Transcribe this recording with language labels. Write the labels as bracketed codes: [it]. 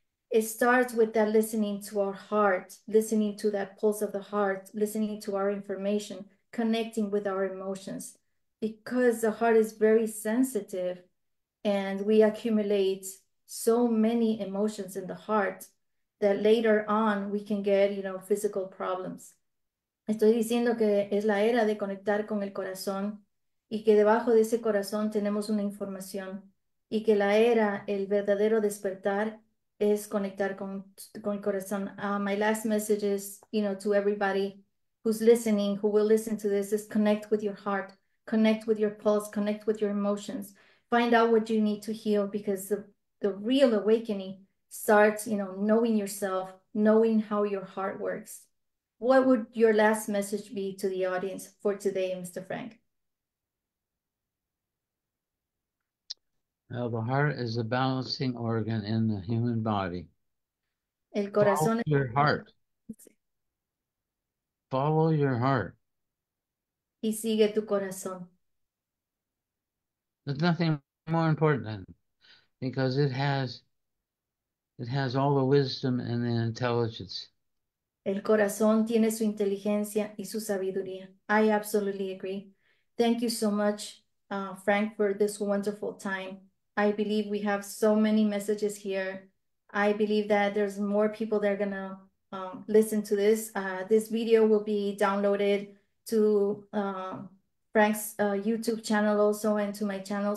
[en] It starts with that listening to our heart, listening to that pulse of the heart, listening to our information, connecting with our emotions. Because the heart is very sensitive and we accumulate so many emotions in the heart that later on we can get, physical problems. [es] Estoy diciendo que es la era de conectar con el corazón. Y que debajo de ese corazón tenemos una información, y que la era, el verdadero despertar, es conectar con el corazón. [en] My last message is, to everybody who's listening, who will listen to this, is connect with your heart, connect with your pulse, connect with your emotions. Find out what you need to heal, because the real awakening starts, knowing yourself, knowing how your heart works. What would your last message be to the audience for today, Mr. Frank? Well, the heart is a balancing organ in the human body. [es] El [en] Follow [es] corazón. [en] your heart. Follow your heart. [es] Y sigue tu corazón. [en] There's nothing more important than it because it has all the wisdom and the intelligence. [es] El corazón tiene su inteligencia y su sabiduría. [en] I absolutely agree. Thank you so much, Frank, for this wonderful time. I believe we have so many messages here. I believe that there's more people that are gonna listen to this. This video will be downloaded to Frank's YouTube channel also and to my channel.